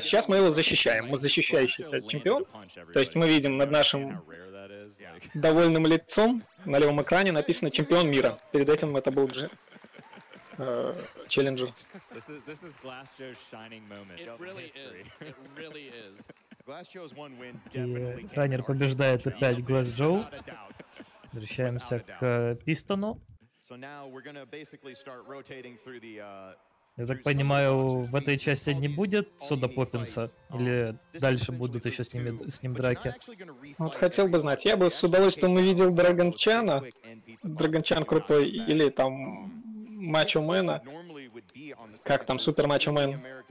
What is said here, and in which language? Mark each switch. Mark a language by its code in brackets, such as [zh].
[ru] Сейчас мы его защищаем, мы защищающийся чемпион. То есть мы видим над нашим довольным лицом на левом экране написано «Чемпион мира». Перед этим это был Джи. Челленджер. [en] This is Glass Joe's shining moment. It really is. It really is. Glass Joe's one win definitely. [ru] Райнер побеждает опять Glass Joe. Возвращаемся к Пистону. [en] So now we're gonna basically start rotating through the. [ru] Я так понимаю, в этой части не будет Сода Поппинса, или дальше будут еще с ним драки? Вот хотел бы знать, я бы с удовольствием увидел Драгон Чана, Драгон Чан крутой, или там Мачо Мэна, как там Супер Мачо Мэн.